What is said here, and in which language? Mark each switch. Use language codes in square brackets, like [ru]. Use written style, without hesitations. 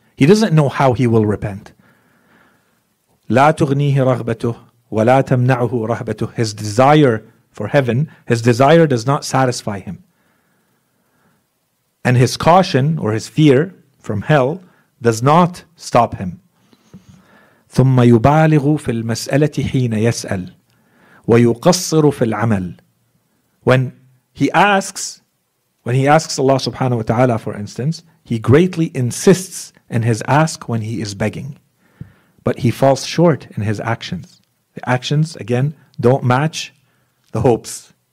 [en] He doesn't know how he will repent. [ar] لا تغنيه رغبته ولا تمنعه رهبته. [en] His desire for heaven, his desire does not satisfy him. And his caution or his fear from hell does not stop him. [ar] ثم يبالغ في المسألة حين يسأل ويقصر في العمل. [en] When he asks Allah subhanahu wa ta'ala, for instance, he greatly insists in his ask when he is begging. But he falls short in his actions. The actions, again, don't match the hopes.